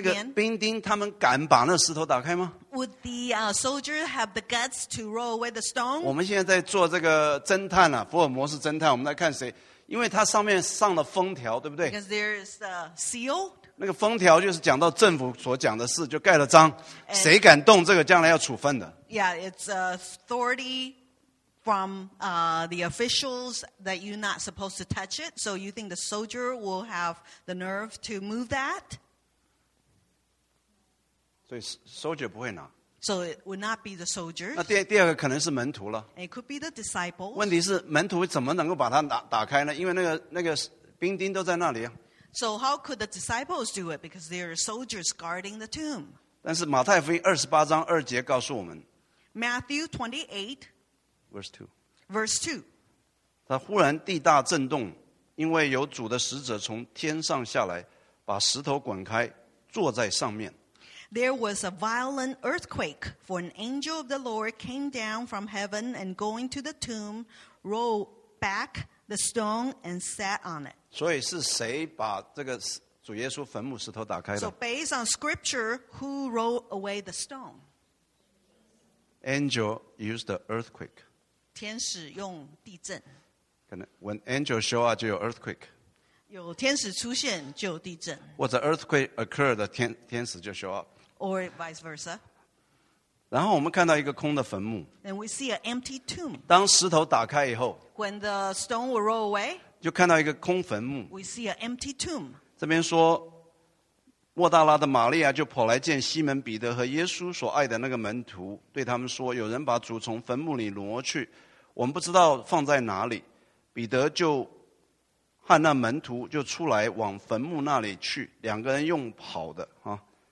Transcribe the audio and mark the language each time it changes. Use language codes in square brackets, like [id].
[zh] 那个兵丁他们敢把那石头打开吗？ [en] Would the soldier have the guts to roll away the stone？ [zh] 我们现在在做这个侦探啊，福尔摩斯侦探，我们来看谁，因为他上面上了封条，对不对？ [en] Because there is the seal. [zh] 那个封条就是讲到政府所讲的事，就盖了章，谁敢动这个，将来要处分的。 [en] Yeah, it's authority from the officials that you're not supposed to touch it. So you think the soldier will have the nerve to move that? [zh] 所以 soldier 不会拿。 [en] So it would not be the soldiers. [zh] 那第二个可能是门徒了。 [en] It could be the disciples. [zh] 问题是门徒怎么能够把它打开呢？因为那个兵丁都在那里。 [en] So how could the disciples do it? Because there are soldiers guarding the tomb. [zh] 但是马太福音28章2节告诉我们， [en] Matthew 28 verse 2. [zh] 忽然地大震动，因为有主的使者从天上下来，把石头滚开，坐在上面。 [en] There was a violent earthquake, for an angel of the Lord came down from heaven and going to the tomb, rolled back the stone and sat on it. [zh] 所以是谁把这个主耶稣坟墓石头打开的？ [en] So based on scripture, who rolled away the stone? Angel used the earthquake. [zh] 天使用地震。 [en] When angel show up, [zh] 就有 [en] earthquake. [zh] 有天使出现就有地震。 [en] What the earthquake occurred, [zh] 天使就 [en] show up. Or vice versa. [zh] 然后我们看到一个空的坟墓。 [en] And we see an empty tomb. [zh] 当石头打开以后， [en] When the stone will roll away, [zh] 就看到一个空坟墓。 [en] We see an empty tomb. [zh] 这边说，莫大拉的玛利亚就跑来见西门彼得和耶稣所爱的那个门徒，对他们说：“有人把主从坟墓里挪去，我们不知道放在哪里。”彼得就和那门徒就出来往坟墓那里去，两个人用跑的啊。